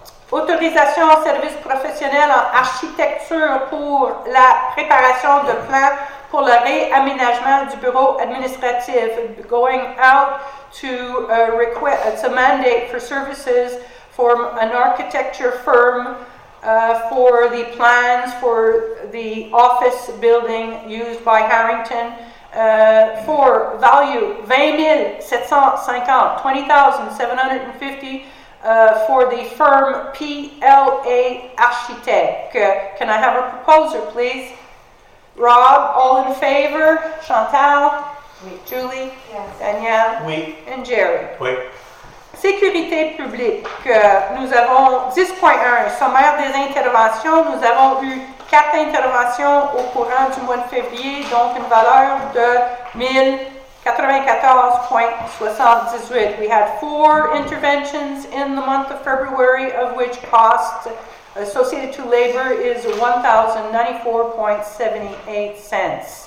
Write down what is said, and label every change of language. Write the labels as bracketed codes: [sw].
[fr] Autorisation en service professionnel en architecture pour la préparation de plans pour le réaménagement du bureau administratif. [en] Going out to request, it's a mandate for services from an architecture firm for the plans for the office building used by Harrington for value 20,750. For the firm PLA Architect. Can I have a proposer, please? Rob, all in favor? Chantal? [fr] Oui. [en] Julie? Yes. Danielle? [fr] Oui. [en] And Jerry? [fr] Oui. Sécurité publique. Nous avons 10.1, sommaire des interventions. Nous avons eu 4 interventions au courant du mois de février, donc une valeur de 1,094.78. [en] We had 4 interventions in the month of February, of which cost associated to labor is 1,094.78.